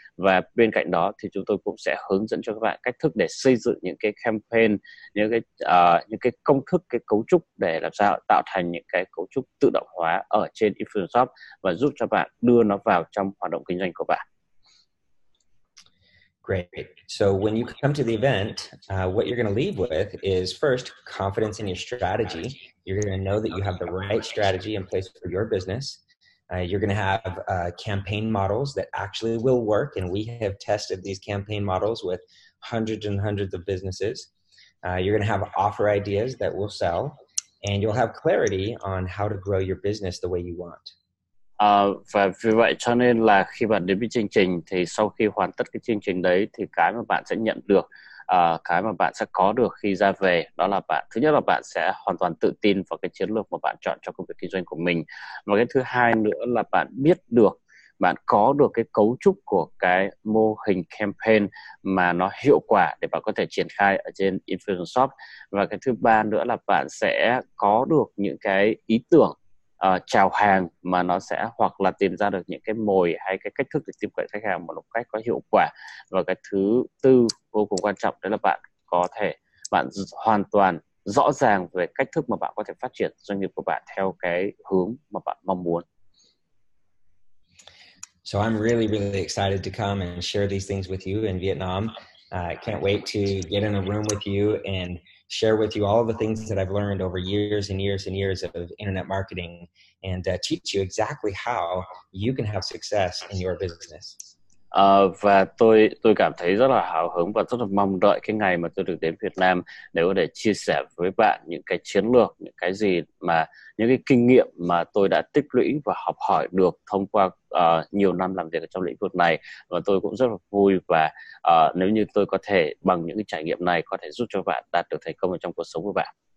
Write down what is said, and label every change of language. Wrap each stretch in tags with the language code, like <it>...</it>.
<vi>Và bên cạnh đó thì chúng tôi cũng sẽ hướng dẫn cho các bạn cách thức để xây dựng những cái campaign, những cái công thức, cái cấu trúc để làm sao tạo thành những cái cấu trúc tự động hóa ở trên Infusionsoft và giúp cho bạn đưa nó vào trong hoạt động kinh doanh của bạn.</vi> <en>Great. So when you come to the event, what you're going to leave with is first confidence in your strategy. You're going to know that you have the right strategy in place for your business. You're going to have campaign models that actually will work. And we have tested these campaign models with hundreds and hundreds of businesses. You're going to have offer ideas that will sell. And you'll have clarity on how to grow your business the way you want.</en> <vi>Và vì vậy cho nên là khi bạn đến với chương trình thì sau khi hoàn tất cái chương trình đấy thì cái mà bạn sẽ nhận được, cái mà bạn sẽ có được khi ra về đó là bạn, thứ nhất là bạn sẽ hoàn toàn tự tin vào cái chiến lược mà bạn chọn cho công việc kinh doanh của mình. Và cái thứ hai nữa là bạn biết được, bạn có được cái cấu trúc của cái mô hình campaign mà nó hiệu quả để bạn có thể triển khai ở trên Infusionsoft. Và cái thứ ba nữa là bạn sẽ có được những cái ý tưởng chào hàng mà nó sẽ hoặc là tìm ra được những cái mồi hay cái cách thức để tiếp cận khách hàng một cách có hiệu quả. Và cái thứ tư vô cùng quan trọng đó là bạn có thể, bạn hoàn toàn rõ ràng về cách thức mà bạn có thể phát triển doanh nghiệp của bạn theo cái hướng mà bạn mong muốn.</vi> <en>So I'm really, really excited to come and share these things with you in Vietnam. I can't wait to get in a room with you and share with you all the things that I've learned over years and years and years of internet marketing and teach you exactly how you can have success in your business.</en> <vi>Và tôi cảm thấy rất là hào hứng và rất là mong đợi cái ngày mà tôi được đến Việt Nam để có thể chia sẻ với bạn những cái chiến lược, những cái gì mà những cái kinh nghiệm mà tôi đã tích lũy và học hỏi được thông qua nhiều năm làm việc ở trong lĩnh vực này. Và tôi cũng rất là vui và nếu như tôi có thể bằng những cái trải nghiệm này có thể giúp cho bạn đạt được thành công ở trong cuộc sống của bạn.</vi>